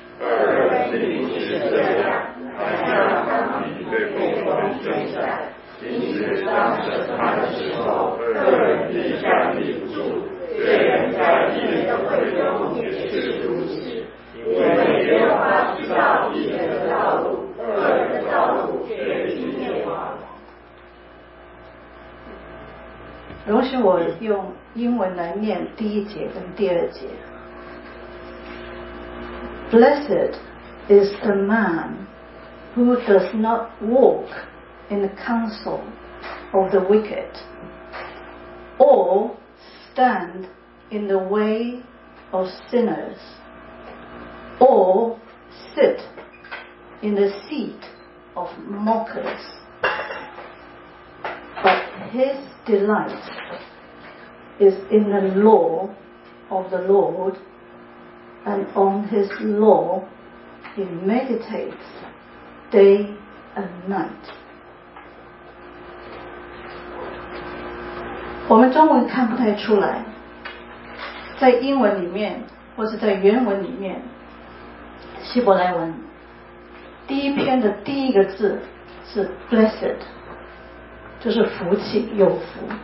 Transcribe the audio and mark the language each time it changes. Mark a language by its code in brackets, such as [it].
[zh] 二人定是这样，还要他们被凤凰追赶，今日当审判的时候，二人必站立不住，罪人在义人的会中也是如此。因为耶和华知道义人的道路，恶人的道路却已灭亡。容许我用英文来念第一节跟第二节。 [en] Blessed is the man who does not walk in the counsel of the wicked, or stand in the way of sinners, or sit in the seat of mockers, but his delight is in the law of the Lord. And on his law he meditates day and night. [zh] 我们中文看不太出来，在英文里面或者在原文里面，希伯来文第一篇的第一个字是 blessed， 就是福气，有福。